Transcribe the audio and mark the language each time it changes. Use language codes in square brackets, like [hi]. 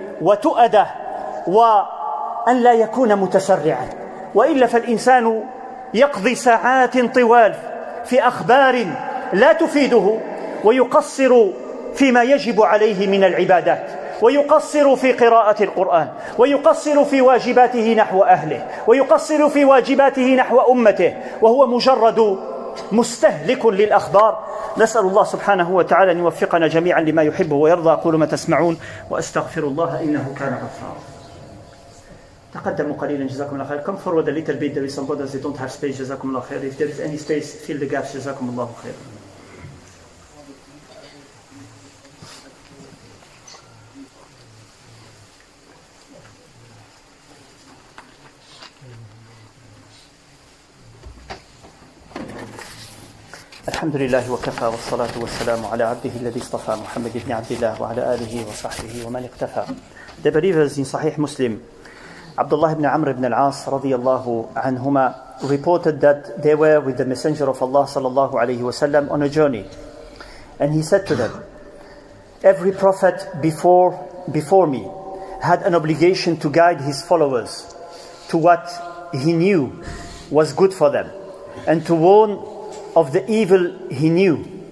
[ar] وتؤدى وأن لا يكون متسرعا، وإلا فالإنسان يقضي ساعات طوال في أخبار لا تفيده، ويقصر فيما يجب عليه من العبادات، ويقصر في قراءة القرآن، ويقصر في واجباته نحو أهله، ويقصر في واجباته نحو أمته، وهو مجرد مستهلك للأخبار. نسأل الله سبحانه وتعالى أن يوفقنا جميعا لما يحب ويرضى. أقول ما تسمعون وأستغفر الله إنه كان غفارا. تقدموا قليلا جزاكم الله خير. [en] Come forward a little bit, there is some borders, they don't have space, [ar] جزاكم الله خير. [en] If there is any space, fill the gaps, جزاكم الله خير. [ar] الحمد لله وكفى، والصلاة والسلام على عبده الذي اصطفى محمد بن عبد الله وعلى آله وصحبه ومن اقتفى. [en] The believers in Sahih Muslim, Abdullah ibn Amr ibn al-As [ar] رضي الله عنهما [en] reported that they were with the Messenger of Allah [ar] صلى الله عليه وسلم [en] on a journey. And he said to them, every prophet before me had an obligation to guide his followers to what he knew was good for them and to warn of the evil he knew.